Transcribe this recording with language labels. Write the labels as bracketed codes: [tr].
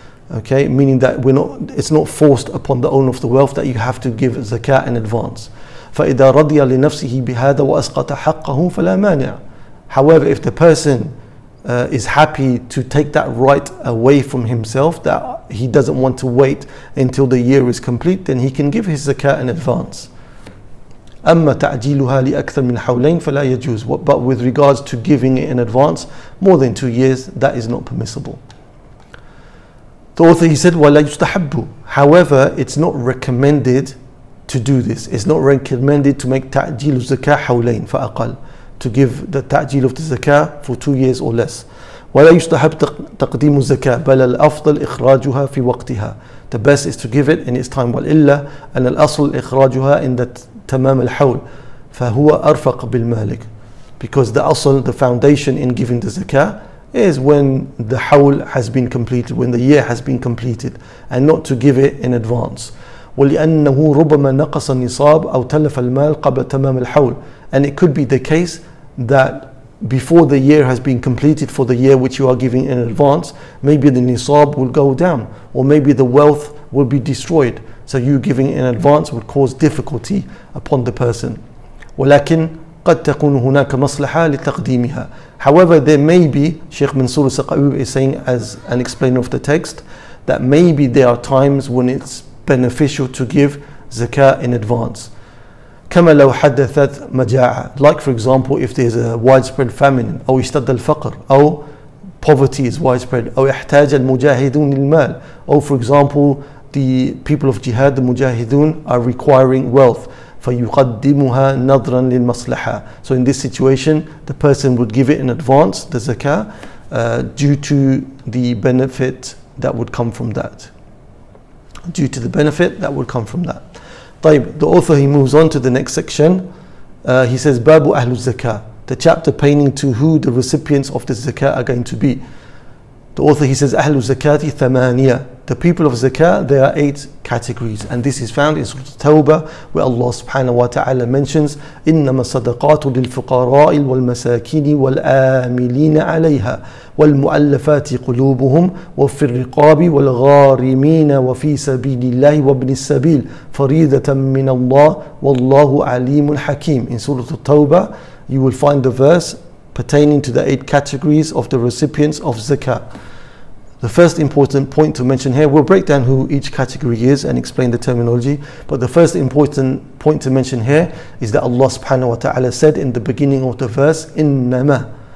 [en] Okay, meaning that it's not forced upon the owner of the wealth that you have to give zakat in advance. [ar] فَإِذَا رَضِيَ لِنَفْسِهِ بِهَذَا وَأَسْقَطَ حَقَّهُ فَلَا مَانِعَ. [en] However, if the person is happy to take that right away from himself, that he doesn't want to wait until the year is complete, then he can give his zakat in advance. [ar] أما تعجيلها لأكثر من حولين فلا يجوز. [en] But with regards to giving it in advance more than 2 years, that is not permissible. The author, he said, [ar] ولا يستحب. [en] However, it's not recommended to do this. It's not recommended to make [ar] تعجيل الزكاة حولين فأقل, [en] to give the تعجيل of the زكاة for 2 years or less. [ar] ولا يستحب تقديم الزكاة بل الأفضل إخراجها في وقتها. [en] The best is to give it in its time. [ar] وإلا أن الأصل إخراجها [en] in that [ar] تمام الحول فهو أرفق بالمالك. [en] Because the asl, the foundation in giving the zakah, is when the hawl has been completed, when the year has been completed, and not to give it in advance. [ar] ولأنه ربما نقص النصاب أو تلف المال قبل تمام الحول. [en] And it could be the case that before the year has been completed for the year which you are giving in advance, maybe the nisab will go down, or maybe the wealth will be destroyed. So you giving in advance would cause difficulty upon the person. [ar] ولكن قد تكون هناك مصلحة لتقديمها. [en] However, there may be, Sheikh Mansur Saqa'ub is saying as an explainer of the text, that maybe there are times when it's beneficial to give zakah in advance. [ar] كما لو حدثت مجاعة. [en] Like for example, if there is a widespread famine, [ar] أو اشتد الفقر, [en] أو poverty is widespread, [ar] أو احتاج المجاهدون للمال, [en] أو for example, the people of jihad, the mujahidun, are requiring wealth. [ar] فَيُقَدِّمُهَا نَظْرًا لِلْمَصْلَحَةِ. [en] So in this situation, the person would give it in advance, the zakah, due to the benefit that would come from that. Due to the benefit that would come from that. طيب, the author, he moves on to the next section. He says, [ar] بَابُ أَهْلُ الزَّكَاةِ. [en] The chapter pertaining to who the recipients of the zakah are going to be. The author, he says, [ar] أَهْلُ الزَّكَاةِ ثَمَانِيَةِ. [en] The people of zakah, there are eight categories, and this is found in Surah Tawbah, where Allah subhanahu wa ta'ala mentions, [ar] إِنَّمَا الصَّدَقَاتُ لِلْفُقَرَاءِ وَالْمَسَاكِينِ وَالْآمِلِينَ عَلَيْهَا وَالْمُؤَلَّفَاتِ قُلُوبُهُمْ وَفِي الرِّقَابِ وَالْغَارِمِينَ وَفِي سَبِيلِ اللَّهِ وَابْنِ السَّبِيلِ فَرِيدَةً مِّنَ اللَّهِ وَاللَّهُ عَلِيمٌ حَكِيمٌ. [en] In Surah Tawbah, you will find the verse pertaining to the eight categories of the recipients of zakah. The first important point to mention here, we'll break down who each category is and explain the terminology, but the first important point to mention here is that Allah subhanahu wa ta'ala said in the beginning of the verse, innama.